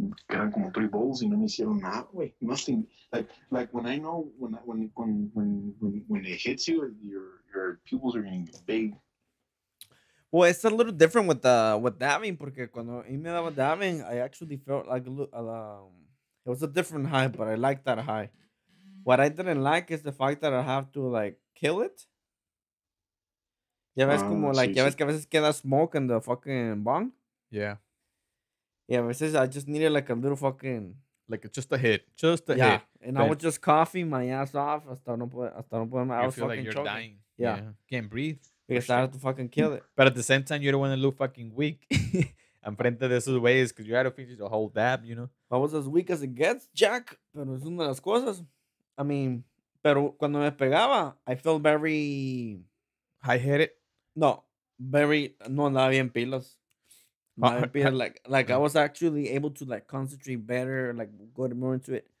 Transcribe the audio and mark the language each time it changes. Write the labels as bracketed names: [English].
[Spanish] Eran como 3 bowls y no me hicieron nada, güey. [English] Nothing. Like when I know when it hits you, your pupils are getting big. Well, it's a little different with dabbing, [Spanish] porque cuando a mí me daba [English] dabbing, I actually felt like it was a different high, but I liked that high. What I didn't like is the fact that I have to like kill it. [Spanish] Ya ves como, [English] like, [Spanish] sí, ya ves sí. Que a veces queda [English] smoke in the fucking bong? Yeah. Yeah, [Spanish] a veces [English] I just needed, like, a little fucking... Like, just a hit. Just a yeah. hit. And but I was just coughing my ass off [Spanish] hasta no poder... [English] I was fucking Feel like you're choking. Dying. Yeah. Can't breathe. Because I had to fucking kill it. But at the same time, you don't want to look fucking weak. [Spanish] Enfrente de esos weyes, [English] because you had to finish the whole dab, you know? I was as weak as it gets, Jack. [Spanish] Pero es una de las cosas. [English] I mean, [Spanish] pero cuando me pegaba, [English] I felt very... High-headed. No, very, [Spanish] no andaba bien pilas. [English] I was actually able to, like, concentrate better, like, go more into it.